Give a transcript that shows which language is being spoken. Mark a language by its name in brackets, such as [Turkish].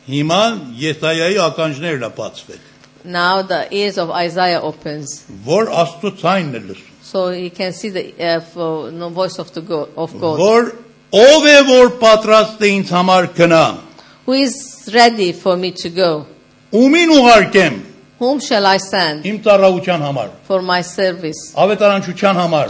[Armenian] Հիմա Եսայայի ականջներն է բացվել. [English] Now the ears of Isaiah opens. [Armenian] Որ Աստծո ցայնն է լսում. [English] So he can see the voice of the God of God. [Armenian] Որ ով է որ պատրաստ է ինձ համար գնա. [English] Who is ready for me to go? [Armenian] Ումին ուղարկեմ? [English] Whom shall I send? [Armenian] Իմ ծառայության համար. [English] For my service. [Armenian] Ավետարանչության համար.